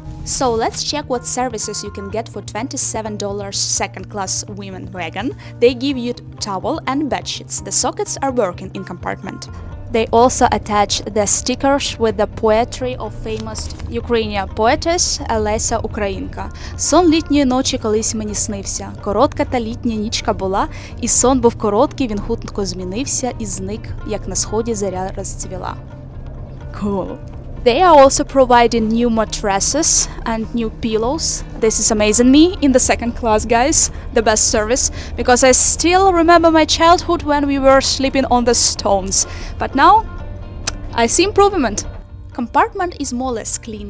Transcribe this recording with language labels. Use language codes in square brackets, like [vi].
[en] So, let's check what services you can get for $27 second-class women wagon. They give you towel and bedsheets. The sockets are working in compartment. They also attach the stickers with the poetry of famous Ukrainian poetess Олеся Українка. [uk] Сон літньої ночі колись мені снився. Коротка та літня нічка була, і сон був короткий, він хутко змінився і зник, як на сході зоря розцвіла. [en] Cool. They are also providing new mattresses and new pillows. This is amazing me in the second class, guys. The best service, because I still remember my childhood when we were sleeping on the stones. But now, I see improvement. Compartment is more or less clean.